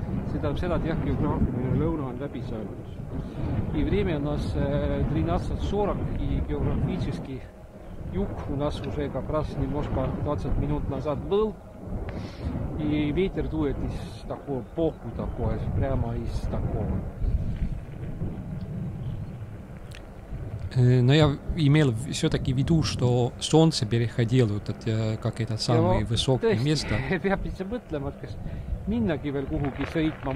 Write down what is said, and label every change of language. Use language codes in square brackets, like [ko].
[et] See tähendab seda, et jah, geograafiline lõuna on läbi saanud. [ru] И время у нас 13:40 и географически юг у нас уже как раз немножко 20 минут назад был. И ветер дует из такого боку, такое, прямо из такого. Но я имел все-таки в виду, что солнце переходило, вот, как это самое высокое место. [et] Peab ise mõtlema, et kas minnagi veel kuhugi sõitma.